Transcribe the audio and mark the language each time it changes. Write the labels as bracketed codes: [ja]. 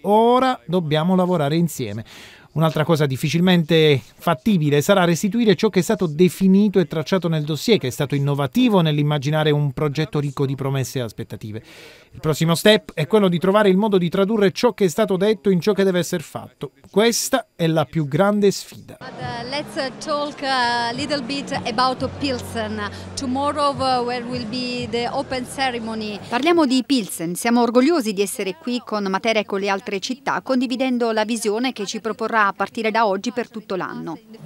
[it] Ora dobbiamo lavorare insieme. Un'altra cosa difficilmente fattibile sarà restituire ciò che è stato definito e tracciato nel dossier, che è stato innovativo nell'immaginare un progetto ricco di promesse e aspettative. Il prossimo step è quello di trovare il modo di tradurre ciò che è stato detto in ciò che deve essere fatto. Questa è la più grande sfida. [en] Let's talk a little bit about Pilsen. Tomorrow where will be the open ceremony. [it] Parliamo di Pilsen. Siamo orgogliosi di essere qui con Matera e con le altre città, condividendo la visione che ci proporrà a partire da oggi per tutto l'anno.